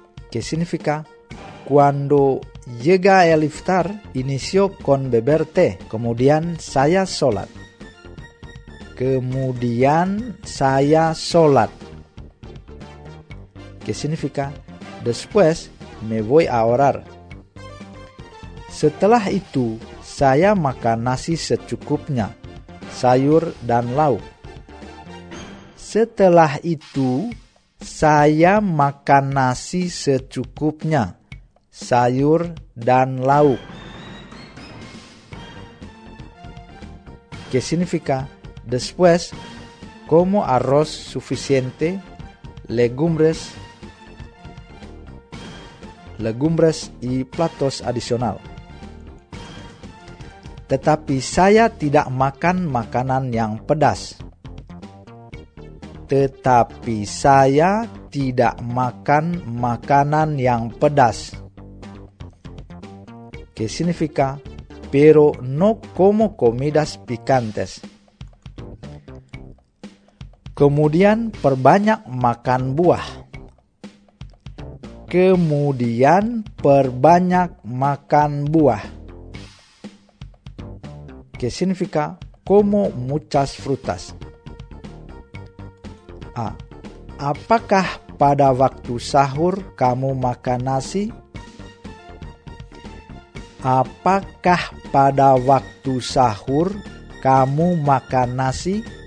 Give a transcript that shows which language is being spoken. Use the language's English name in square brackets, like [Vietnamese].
[Spanish] Que significa, cuando llega el iftar, inicio con beber teh. [Indonesian] Kemudian saya sholat. Kemudian saya sholat. [Spanish] Que significa, después me voy a orar. [Indonesian] Setelah itu, saya makan nasi secukupnya, sayur dan lauk. Setelah itu, saya makan nasi secukupnya, sayur dan lauk. [Spanish] Que significa, después, como arroz suficiente, legumbres y platos adicional. [Indonesian] Tetapi saya tidak makan makanan yang pedas. Tetapi saya tidak makan makanan yang pedas. [Spanish] Que significa, pero no como comidas picantes. [Indonesian] Kemudian perbanyak makan buah. Kemudian perbanyak makan buah. [Spanish] Que significa, como muchas frutas. A. [Indonesian] Apakah pada waktu sahur kamu makan nasi? Apakah pada waktu sahur kamu makan nasi?